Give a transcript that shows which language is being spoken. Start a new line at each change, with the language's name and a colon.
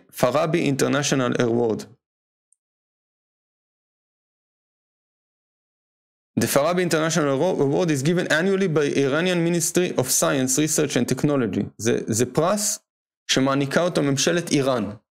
English: פראבי אינטרנשיונל אירוורד. The Farabi International Award is given annually by Iranian Ministry of Science, Research and Technology.
Hebrew: זה פרס שמעניקה אותו ממשלת איראן.